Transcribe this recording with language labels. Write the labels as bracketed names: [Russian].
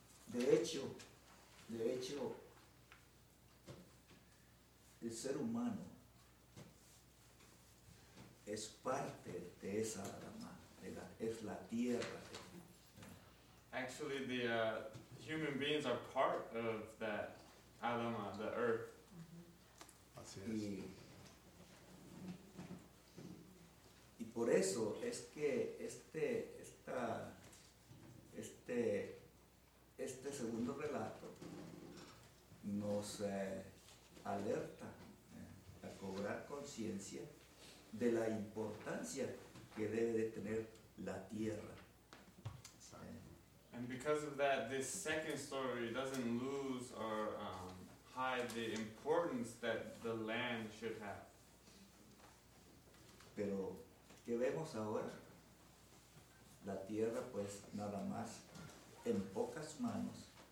[Spanish] De hecho el ser humano es parte de esa rama, es la tierra. [English] Actually, the human beings are part of that Adama, the earth. [Spanish] Mm-hmm. Así es. Y por eso es que este segundo relato nos alerta a cobrar conciencia de la importancia que debe de tener la tierra [English] And because of that, this second story doesn't lose or hide the importance that the land should have. [Spanish] Pero, ¿qué vemos ahora? La tierra, pues, nada más en pocas manos.